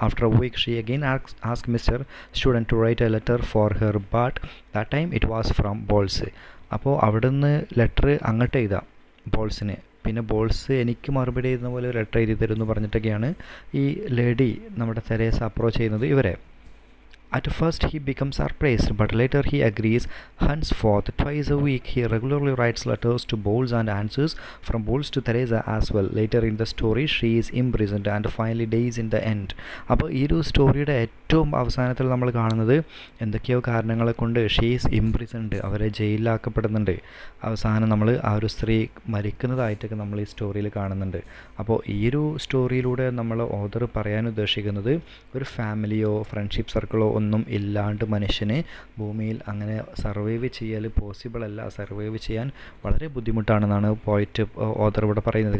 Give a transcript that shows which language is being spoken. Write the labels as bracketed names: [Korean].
[English] After a week she again ask mister student to write a letter for her, but that time it was from balls. [Malayalam] അപ്പോൾ അവിടുന്ന് letter അങ്ങോട്ട് എഴുതാം, ബോൾസിനെ. പിന്നെ balls എനിക്ക് മറുപടി എഴുതുന്ന പോലെ ലെറ്റർ എഴുതി തരുമെന്ന് പറഞ്ഞിട്ടൊക്കെയാണ് ഈ ലേഡി നമ്മുടെ തെരേസ അപ്രോച്ച് ചെയ്യുന്നത് ഇവരെ. [English] At first he becomes surprised, but later he agrees. Henceforth, twice a week he regularly writes letters to Bowles and answers from Bowles to Theresa as well. Later in the story she is imprisoned and finally dies in the end. [Malayalam] അപ്പോൾ ഈ ഒരു സ്റ്റോറിയുടെ ഏറ്റവും അവസാനത്തിൽ നമ്മൾ കാണുന്നത് എന്തൊക്കെയോ കാരണങ്ങളെ കൊണ്ട് [English] she's imprisoned, [Malayalam] അവരെ ജയിലിലാക്കപ്പെടുന്നുണ്ട്. അവസാനം നമ്മൾ ആ ഒരു സ്ത്രീ മരിക്കുന്നതായിട്ടൊക്കെ നമ്മൾ ഈ സ്റ്റോറിയിൽ കാണുന്നുണ്ട്. അപ്പോൾ ഈ ഒരു സ്റ്റോറിയിലൂടെ നമ്മൾ ഓതർ പറയാൻ ഉദ്ദേശിക്കുന്നത് ഒരു ഫാമിലിയോ ഫ്രണ്ട്ഷിപ്പ് സർക്കിളോ ഒന്നും ഇല്ലാണ്ട് മനുഷ്യനെ ഭൂമിയിൽ അങ്ങനെ സർവൈവ് ചെയ്യൽ പോസിബിൾ അല്ല, സർവൈവ് ചെയ്യാൻ വളരെ ബുദ്ധിമുട്ടാണെന്നാണ് പോയിറ്റ് ഓതർ ഇവിടെ പറയുന്നത്.